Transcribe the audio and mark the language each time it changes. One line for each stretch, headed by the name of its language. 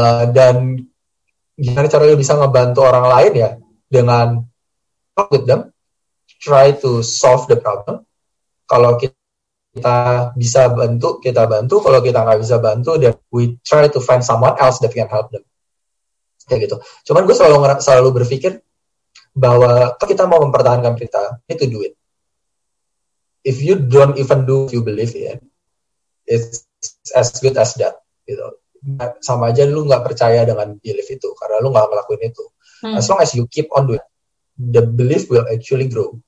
Indonesian: Dan gimana caranya bisa ngebantu orang lain ya? Dengan
English: talk with them, try to solve the problem.
Indonesian: Kalau kita bisa bantu, kita bantu. Kalau kita nggak bisa bantu,
English: then we try to find someone else that can help them.
Indonesian: Kayak gitu. Cuman gue selalu berpikir bahwa kalau kita mau mempertahankan kita,
English: need to do it. If you don't even do what you believe in, it's as good as that.
Indonesian: Gitu. Sama aja lu nggak percaya dengan belief itu, karena lu nggak ngelakuin itu.
English: As long as you keep on doing it, the belief will actually grow.